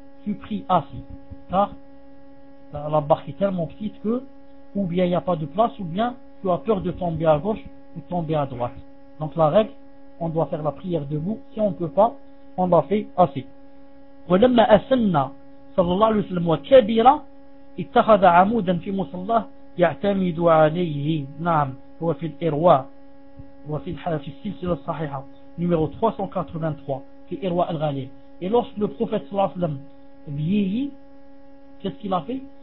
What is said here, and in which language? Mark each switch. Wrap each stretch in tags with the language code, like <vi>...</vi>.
<fr>Tu pries assis, car la barque est tellement petite que ou bien il n'y a pas de place, ou bien tu as peur de tomber à gauche ou tomber à droite. Donc la règle, on doit faire la prière debout. Si on ne peut pas, on l'a fait assis.</fr> <ar>ولما أسن صلى الله عليه وسلم وكبر اتخذ عمودا في مصلى يعتمد عليه. نعم هو في الإرواء وفي في السلسلة الصحيحة numéro 383 في إرواء الغالية.</ar> <fr>Et lorsque le prophète</fr> <ar>صلى الله عليه وسلم</ar> <fr>vieillit, qu'est-ce qu'il a fait?</fr>